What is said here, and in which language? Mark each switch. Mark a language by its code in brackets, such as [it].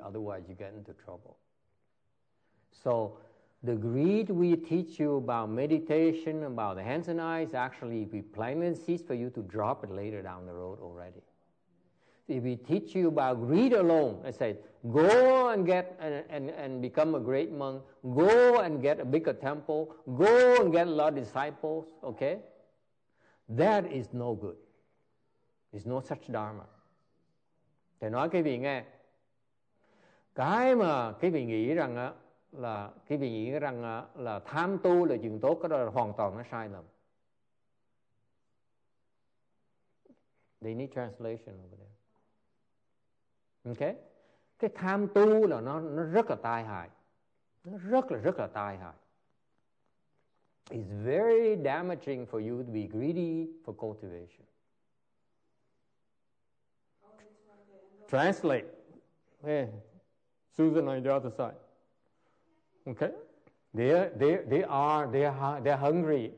[en] Otherwise, you get into trouble. So the greed we teach you about meditation, about the hands and eyes, actually we plant the seeds for you to drop it later down the road already. If we teach you about greed alone, I say, go and get and become a great monk, go and get a bigger temple, go and get a lot of disciples, okay? That is no good. It's no such dharma. [vi] Thì nói quý vị nghe, cái mà quý vị nghĩ rằng á, là cái vị nghĩ rằng là tham tu là chuyện tốt, cái đó là hoàn toàn nó sai lầm. [en] They need translation over there. [vi] Okay, cái tham tu là nó rất là tai hại, nó rất là tai hại. [en] It's very damaging for you to be greedy for cultivation. Translate. Yeah. Susan on the other side. Okay, they're hungry.